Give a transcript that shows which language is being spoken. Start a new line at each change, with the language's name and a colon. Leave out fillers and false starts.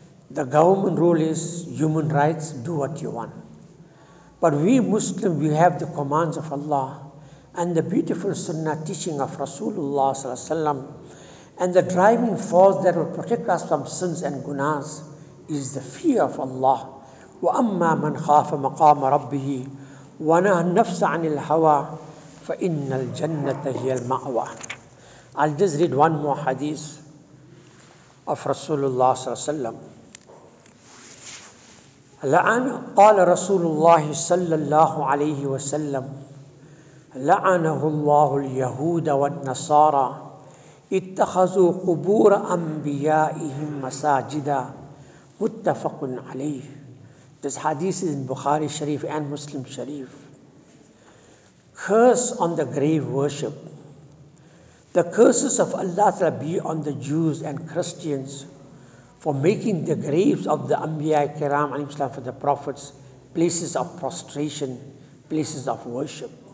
English: The government rule is human rights, do what you want. But we Muslims, we have the commands of Allah and the beautiful sunnah teaching of Rasulullah sallallahu alaihi wasallam, and the driving force that will protect us from sins and gunas is the fear of Allah.
Arabic: وَأَمَّا مَنْ خَافَ مَقَامَ رَبِّهِ وَنَهَى النَّفْسَ عَنِ الْهَوَىٰ فَإِنَّ الْجَنَّةَ هِيَ الْمَأْوَىٰ.
English: I'll just read one more hadith. of
Arabic: Rasulullah لعن قال رسول الله صلى الله عليه وسلم لعنه الله اليهود والنصارى اتخذوا قبور انبيائهم مساجدا متفق عليه.
English: This hadith is in Bukhari Sharif and Muslim Sharif. Curse on the grave worship. The curses of Allah Ta'ala be on the Jews and Christians for making the graves of the Anbiya Kiram alayhi salam, for the prophets, places of prostration, places of worship.